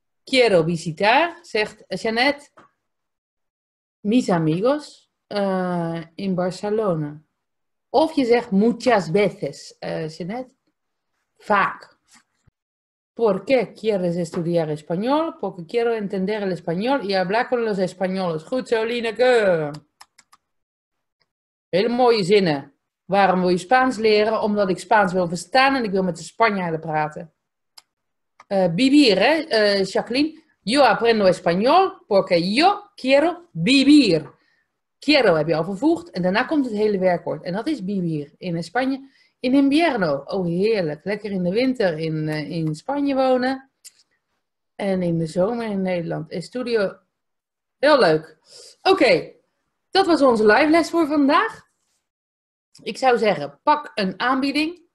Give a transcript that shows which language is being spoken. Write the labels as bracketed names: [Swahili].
[Spanish] Quiero visitar, [Dutch] zegt Jeanette. [Spanish] Mis amigos in Barcelona. [Dutch] Of je zegt [Spanish] muchas veces, [Dutch] Jeanette. Vaak. [Spanish] ¿Por qué quieres estudiar español? Porque quiero entender el español y hablar con los españoles. [Dutch] Goed zo, Lineke. Hele mooie zinnen. Waarom wil je Spaans leren? Omdat ik Spaans wil verstaan en ik wil met de Spanjaarden praten. Vivir, hè? Jacqueline. [Spanish] Yo aprendo español porque yo quiero vivir. [Dutch] Quiero heb je al vervoegd en daarna komt het hele werkwoord. En dat is vivir in Spanje. [Spanish] In invierno, [Dutch] oh heerlijk. Lekker in de winter in Spanje wonen. En in de zomer in Nederland. Estudio, heel leuk. Oké, dat was onze live les voor vandaag. Ik zou zeggen, pak een aanbieding.